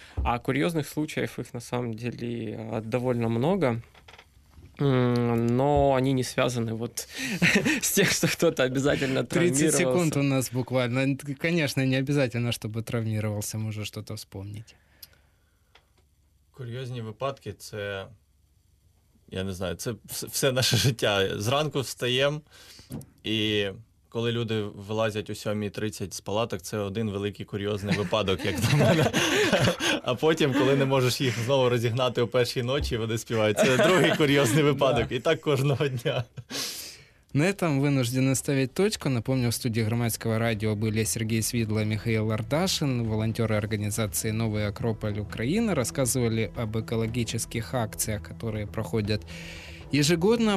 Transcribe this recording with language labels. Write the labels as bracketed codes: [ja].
[ru] А курьезных случаев, их на самом деле довольно много, но они не связаны вот с тем, что кто-то обязательно травмировался. 30 секунд у нас буквально. Конечно, не обязательно, чтобы травмировался, можно что-то вспомнить. [uk] Курьезные випадки — це... Я не знаю, це все наше життя. Зранку встаємо, і коли люди вилазять о 7:30 з палаток, це один великий курйозний випадок, як на мене. А потім, коли не можеш їх знову розігнати о 1:00, вони співають. Це другий курйозний випадок. І так кожного дня. [ru] На этом вынуждены ставить точку. Напомню, в студии Громадского радио были Сергей Свидло и Михаил Ардашин, волонтеры организации «Новый Акрополь Украины». Рассказывали об экологических акциях, которые проходят ежегодно.